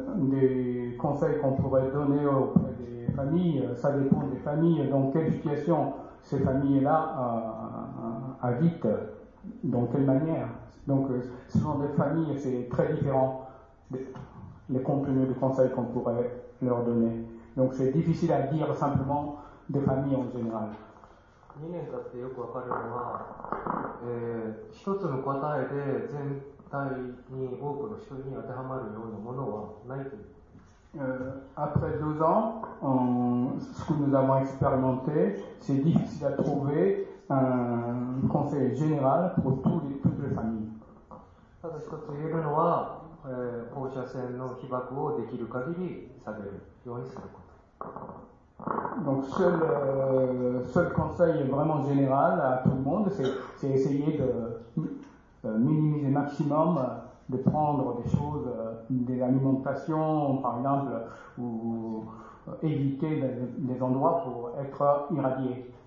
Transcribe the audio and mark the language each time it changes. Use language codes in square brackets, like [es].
[fr] Des conseils qu'on pourrait donner auprès des familles, ça dépend des familles dans quelle situation ces familles-là habitent, dans quelle manière. Donc, ce sont des familles, c'est très différent les contenus de conseils qu'on pourrait leur donner. Donc, c'est difficile à dire simplement des familles en général. [ja] 2年経ってよくわかるのは、一つの答えで全体に多くの人に当てはまるようなものはないという。 [fr] Après deux ans, ce que nous avons expérimenté, c'est difficile à trouver un conseil général pour toutes les familles. [ja] ただ一つ言えるのは、放射線の被曝をできる限り下げるようにすること。 [fr] Donc seul conseil vraiment général à tout le monde, c'est essayer de minimiser maximum, de prendre des choses, des alimentations par exemple, ou éviter des endroits pour être irradié.